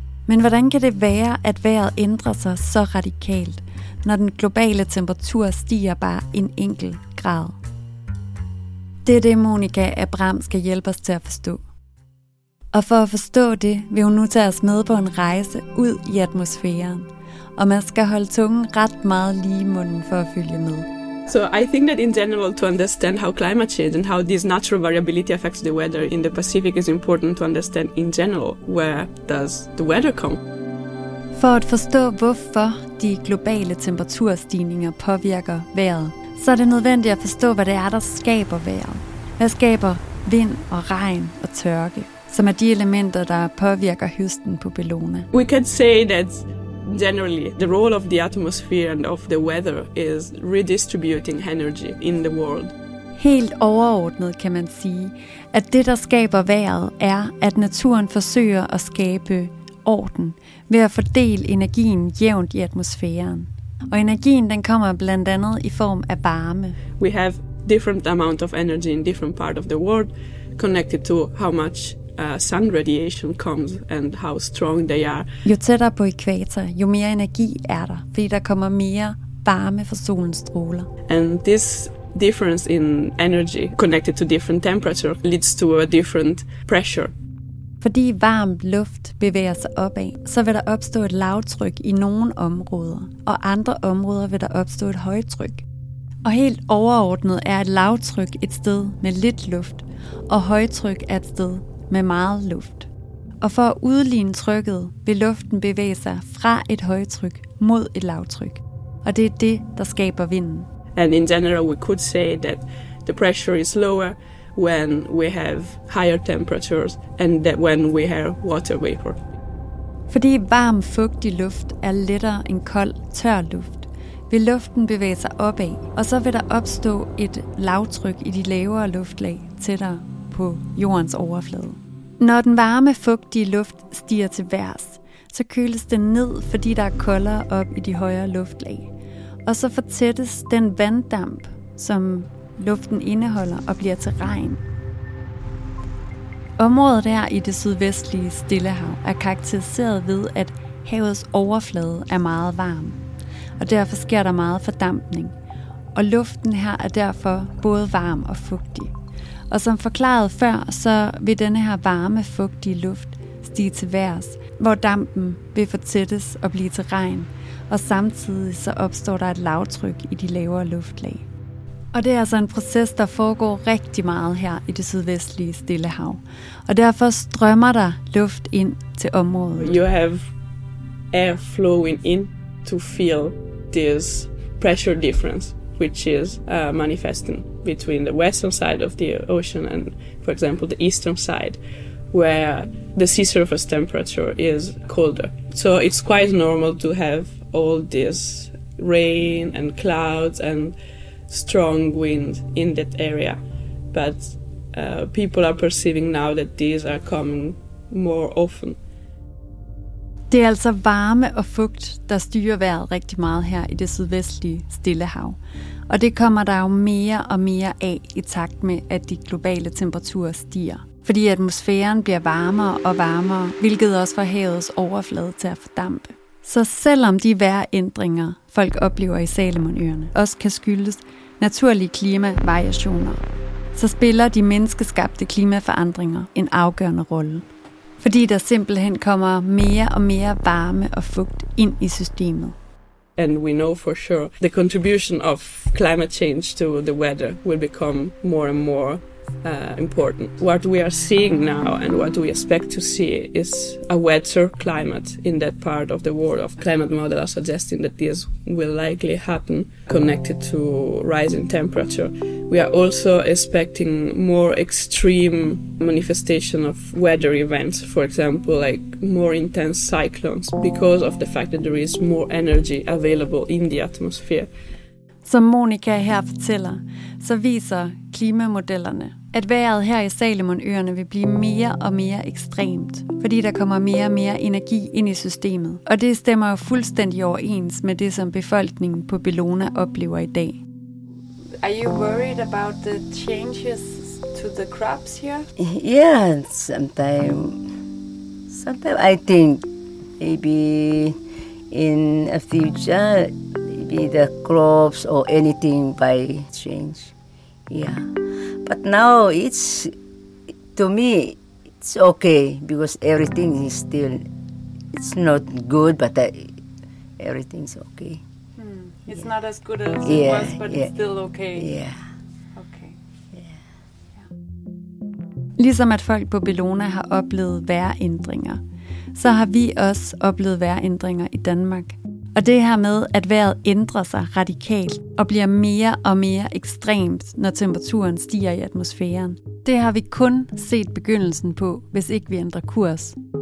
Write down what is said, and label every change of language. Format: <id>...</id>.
<da>Men hvordan kan det være, at vejret ændrer sig så radikalt, når den globale temperatur stiger bare en enkelt grad? Det er det, Monica Abram skal hjælpe os til at forstå. Og for at forstå det, vil hun nu tage os med på en rejse ud i atmosfæren. Og man skal holde tungen ret meget lige i munden for at følge med.</da> <en>So I think that in general to understand how climate change and how this natural variability affects the weather in the Pacific is important to understand in general where does the weather come.</en> <da>For at forstå hvorfor de globale temperaturstigninger påvirker vejret, så er det nødvendigt at forstå hvad det er der skaber vejret. Hvad skaber vind og regn og tørke, som er de elementer der påvirker høsten på Bellona.</da> <en>We can say that generally, the role of the atmosphere and of the weather is redistributing energy in the world.</en> <da>Helt overordnet kan man sige, at det, der skaber vejret, er, at naturen forsøger at skabe orden ved at fordele energien jævnt i atmosfæren. Og energien, den kommer blandt andet i form af varme.</da> <en>We have different amount of energy in different part of the world connected to how much sun radiation comes and how strong they are.</en> <da>Jo tættere på ekvator, jo mere energi er der, fordi der kommer mere varme fra solens stråler.</da> <en>And this difference in energy connected to different temperature leads to a different pressure.</en> <da>Fordi varm luft bevæger sig opad, så vil der opstå et lavtryk i nogle områder, og andre områder vil der opstå et højtryk. Og helt overordnet er et lavtryk et sted med lidt luft, og højtryk er et sted med meget luft. Og for at udligne trykket, vil luften bevæge sig fra et højtryk mod et lavtryk. Og det er det, der skaber vinden.</da> <en>And in general we could say that the pressure is lower when we have higher temperatures and that when we have water vapor.</en> <da>Fordi varm fugtig luft er lettere end kold tør luft, vil luften bevæge sig opad, og så vil der opstå et lavtryk i de lavere luftlag tættere på jordens overflade. Når den varme, fugtige luft stiger til værs, så køles den ned, fordi der er koldere op i de højere luftlag. Og så fortættes den vanddamp, som luften indeholder og bliver til regn. Området der i det sydvestlige Stillehav er karakteriseret ved, at havets overflade er meget varm. Og derfor sker der meget fordampning. Og luften her er derfor både varm og fugtig. Og som forklaret før, så vil denne her varme, fugtige luft stige til vejrs, hvor dampen vil fortættes og blive til regn, og samtidig så opstår der et lavtryk i de lavere luftlag. Og det er altså en proces, der foregår rigtig meget her i det sydvestlige Stillehav. Og derfor strømmer der luft ind til området.</da> <en>You have air flowing in to feel this pressure difference, which is manifesting between the western side of the ocean and, for example, the eastern side, where the sea surface temperature is colder. So it's quite normal to have all this rain and clouds and strong wind in that area. But people are perceiving now that these are coming more often.</en> <da>Det er altså varme og fugt, der styrer vejret rigtig meget her i det sydvestlige Stillehav. Og det kommer der jo mere og mere af i takt med, at de globale temperaturer stiger. Fordi atmosfæren bliver varmere og varmere, hvilket også får havets overflade til at fordampe. Så selvom de vejrændringer, folk oplever i Salomonøerne, også kan skyldes naturlige klimavariationer, så spiller de menneskeskabte klimaforandringer en afgørende rolle. Fordi der simpelthen kommer mere og mere varme og fugt ind i systemet.</da> <en>And we know for sure the contribution of climate change to the weather will become more and more important. What we are seeing now and what we expect to see is a wetter climate in that part of the world. Of climate models are suggesting that this will likely happen connected to rising temperature. We are also expecting more extreme manifestation of weather events, for example, like more intense cyclones, because of the fact that there is more energy available in the atmosphere.</en> <da>Som Monica her fortæller, så viser klimamodellerne, at vejret her i Salomonøerne vil blive mere og mere ekstremt, fordi der kommer mere og mere energi ind i systemet. Og det stemmer jo fuldstændig overens med det, som befolkningen på Bellona oplever i dag.</da> <en>Are you worried about the changes to the crops here? Yeah, sometimes I think maybe in a future maybe the crops or anything might change. Yeah. But now it's to me it's okay because everything is still it's not good but everything's okay. It's yeah. not as good as it yeah, was, but yeah. it's still okay. Yeah. Okay. Yeah.</en> <da>Ligesom at folk på Bellona har oplevet vejrændringer, så har vi også oplevet vejrændringer i Danmark. Og det her med, at vejret ændrer sig radikalt og bliver mere og mere ekstremt, når temperaturen stiger i atmosfæren, det har vi kun set begyndelsen på, hvis ikke vi ændrer kurs.</da>